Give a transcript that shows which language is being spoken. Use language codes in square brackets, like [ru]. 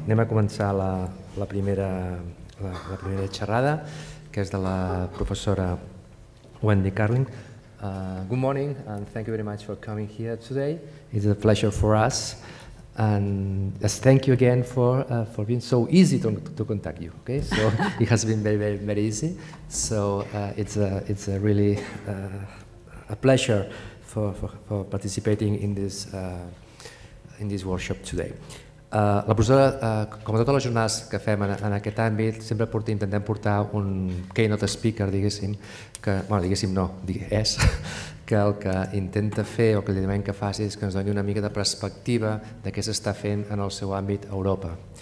[ca] Anem a començar la primera xerrada, que és de la professora Wendy Carlin. [en] Good morning and thank you very much for coming here today. It's a pleasure for us. And just thank you again for being so easy to contact you. Okay, so it has been very, very, very easy. So it's a really a pleasure for participating in this workshop today. [ca] La professora, com a totes les jornades que fem en aquest àmbit, sempre intentem portar un keynote speaker, diguéssim, que, bueno, diguéssim no, és, que el que intenta fer o que li demanem que faci és que ens doni una mica de perspectiva de què s'està fent en el seu àmbit a Europa.